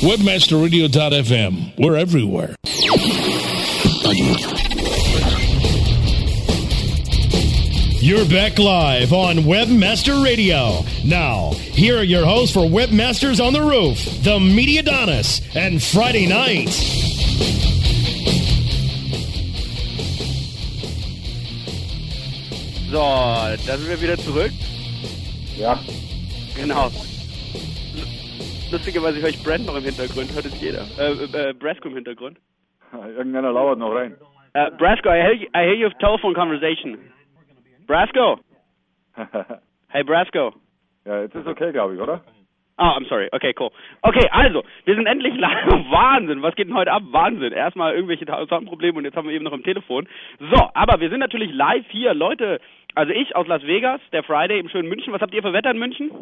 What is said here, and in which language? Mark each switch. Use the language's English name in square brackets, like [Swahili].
[English] WebmasterRadio.fm. We're everywhere. You're back live on Webmaster Radio. Now, here are your hosts for Webmasters on the Roof, the Media Donis, and Friday Night. [German] So, da sind wir wieder zurück. Ja. Genau. Lustigerweise höre ich Brent noch im Hintergrund, hört es jeder. Brasco im Hintergrund. Irgendeiner lauert noch rein. [English] Brasco, I hear your telephone conversation. Brasco! Hey, Brasco! [German] Ja, jetzt ist okay, glaube ich, oder? [English] Oh, I'm sorry. Okay, cool. [German] Okay, also, wir sind endlich live. Wahnsinn, was geht denn heute ab? Wahnsinn. Erstmal irgendwelche Soundprobleme und jetzt haben wir eben noch im Telefon. So, aber wir sind natürlich live hier, Leute. Also ich aus Las Vegas, der Friday im schönen München. Was habt ihr für Wetter in München?